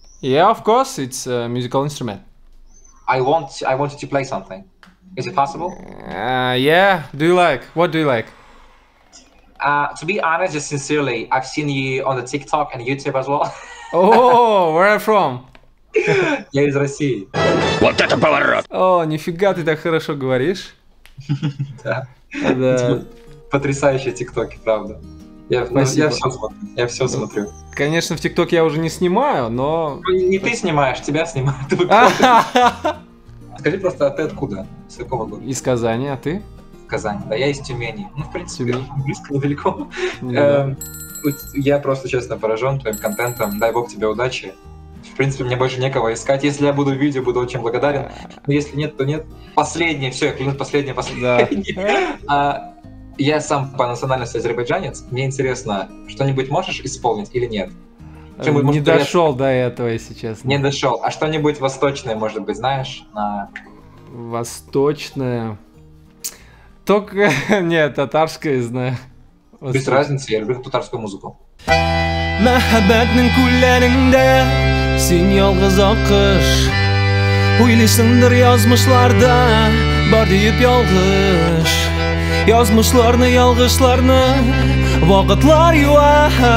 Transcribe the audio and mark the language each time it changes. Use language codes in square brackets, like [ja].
[en] Yeah, of course. It's a musical instrument. I wanted to play something. Is it possible? Yeah. Do you like? What do you like? To be honest, just sincerely, I've seen you on the TikTok and YouTube as well. Oh, where are you from? [ru] Я из России. Вот это поворот! О, нифига ты так хорошо говоришь. Да. Потрясающие ТикТоки, правда. Я все смотрю. Конечно, в ТикТоке я уже не снимаю, но... Не ты снимаешь, тебя снимают. Скажи просто, а ты откуда? С какого города? Из Казани, а ты? В Казани, да, я из Тюмени. Ну, в принципе, близко, недалеко. Я просто честно поражен твоим контентом. Дай бог тебе удачи. В принципе, мне больше некого искать. Если я буду в видео, буду очень благодарен. Но если нет, то нет. Последнее, все, я клянусь, последнее. Да. Я сам по национальности азербайджанец. Мне интересно, что-нибудь можешь исполнить или нет? Не дошел до этого, если честно. Не дошел. А что-нибудь восточное, может быть, знаешь? Восточное? Только... Нет, татарское знаю. Без разницы, я люблю татарскую музыку. [tt] Махаббатның күлләрендә син ялгыз акыш. Уйлисыңдыр язмышларда бар дип ялгыш. Язмышларны ялгышларны вакытлар юа.